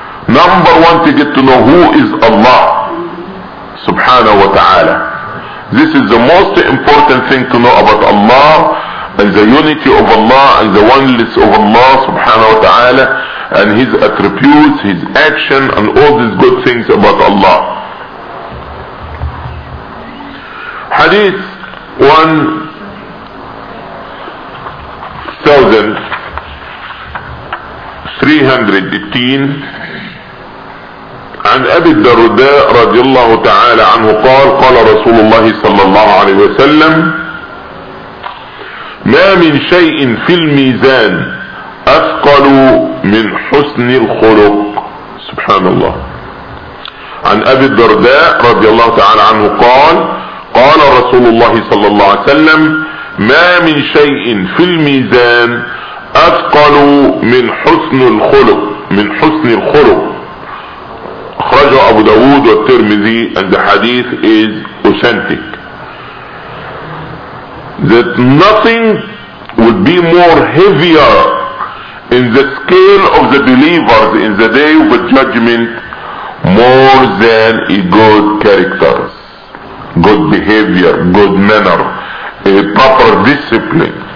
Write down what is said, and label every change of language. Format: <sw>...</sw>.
<en>Number one, to get to know who is Allah subhanahu wa ta'ala. This is the most important thing to know about Allah and the unity of Allah and the oneness of Allah subhanahu wa ta'ala and His attributes, His action and all these good things about Allah. Hadith 1318</en> <ar>عن أبي الدرداء رضي الله تعالى عنه قال قال رسول الله صلى الله عليه وسلم ما من شيء في الميزان أثقل من حسن الخلق. سبحان الله. عن أبي الدرداء رضي الله تعالى عنه قال قال رسول الله صلى الله عليه وسلم ما من شيء في الميزان أثقل من حسن الخلق من حسن الخلق. أخرجه أبو داود والترمذي</ar> <en>and the hadith is authentic. That nothing would be more heavier in the scale of the believers in the day of judgment more than a good character, good behavior, good manner, a proper discipline.</en>